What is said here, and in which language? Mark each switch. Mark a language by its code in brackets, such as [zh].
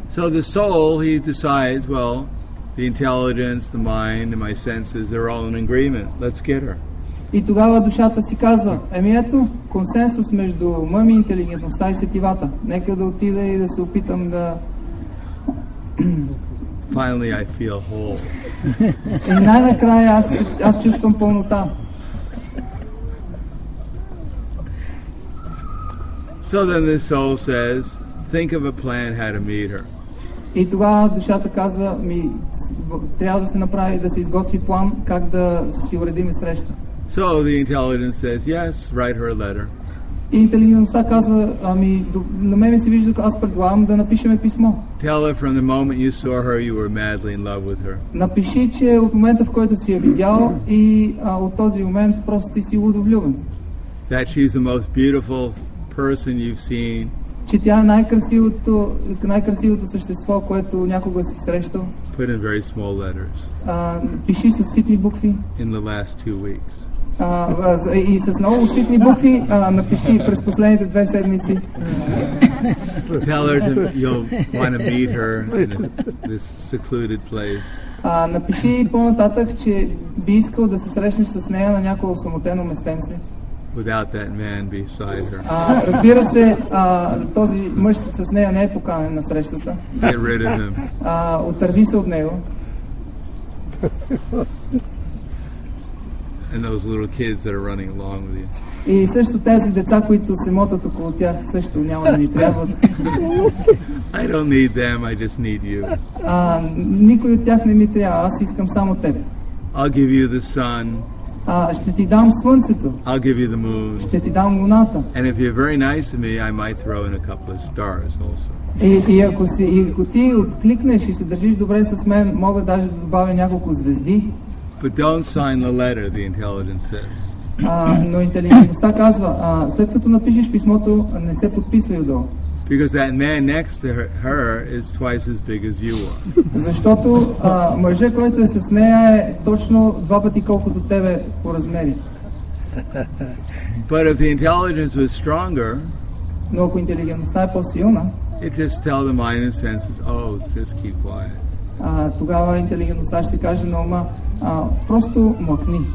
[en] So the soul, he decides, well, the intelligence, the mind, and my senses, they're all in agreement. Let's get her. [bg] И тогава душата си казва, еми ето, консенсус между ума ми, интелигентността и сетивата. Нека да отида и да се опитам да... [en] Finally, I feel whole. [bg] И най-накрая аз чувствам пълнота. [en] So then the soul says, think of a plan how to meet her. [bg] И тогава душата казва, ми трябва да се направи, да се изготви план, как да си уредим среща. [en] So the intelligence says, yes, write her a letter. [bg] И интелигентността казва, ами, на мен се вижда, аз предлагам да напишем писмо. [en] Tell her from the moment you saw her, you were madly in love with her. [bg] Напиши, че от момента, в който си я видял, и от този момент просто ти си удовлюбен. [en] That she's the most beautiful person you've seen. [bg] Че тя е най-красивото същество, което някога си срещал. [en] Put in very small letters. [bg] Пиши с ситни букви. [en] In the last 2 weeks. [bg] И с много ситни букви напиши през последните 2 седмици. [en] Tell her that you'll want to meet her in this secluded place. [bg] Напиши по-нататък, че би искал да се срещнеш с нея на някое осамотено местенце. [en] Without that man beside her. [bg] Разбира се, този мъж с нея не е поканен на срещата. [en] Get rid of him. [bg] Отърви се от него. [en] And those little kids that are running along with you. [bg] И също тези деца, които се мотат около тях, също няма да ни трябват. [en] I don't need them, I just need you. [bg] Никой от тях не ми трябва, аз искам само теб. [en] I'll give you the sun. [bg] Ще ти дам слънцето. [en] I'll give you the moon. [bg] Ще ти дам луната. [en] And if you're very nice to me, I might throw in a couple of stars also. [bg] И ако ти откликнеш и се държиш добре с мен, мога даже да добавя няколко звезди. [en] But don't sign the letter, the intelligence says. [bg] Но интелигентността казва, след като напишеш писмото, не се подписвай отдолу. [en] Because that man next to her is twice as big as you are. [bg] Защото мъжът, който е с нея, е точно два пъти колкото тебе по размери. [en] But if the intelligence was stronger, [bg] но ако интелигентността е по-силна, [en] it just tell the mind and senses, oh, just keep quiet. [bg] Тогава интелигентността ще каже на ума, просто мълкни.